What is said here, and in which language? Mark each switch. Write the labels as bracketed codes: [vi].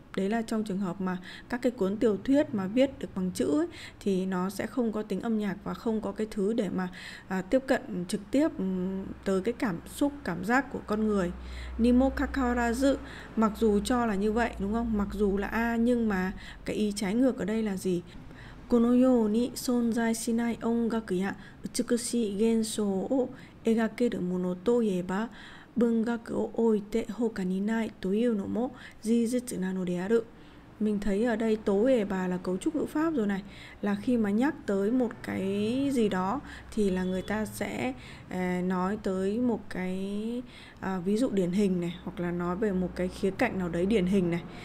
[vi] Đấy là trong trường hợp mà các cái cuốn tiểu thuyết mà viết được bằng chữ ấy, thì nó sẽ không có tính âm nhạc và không có cái thứ để mà tiếp cận trực tiếp tới cái cảm xúc cảm giác của con người. [ja] Nimo kakarazu, [vi] mặc dù cho là như vậy đúng không, mặc dù là a nhưng mà cái ý trái ngược ở đây là gì, [ja] このように存在しない音楽や美しい現象を描けるものといえば、文学を置いて他にないというのも事実なのである。 [vi] Mình thấy ở đây tối đề bà là cấu trúc ngữ pháp rồi này, là khi mà nhắc tới một cái gì đó thì là người ta sẽ nói tới một cái ví dụ điển hình này, hoặc là nói về một cái khía cạnh nào đấy điển hình này.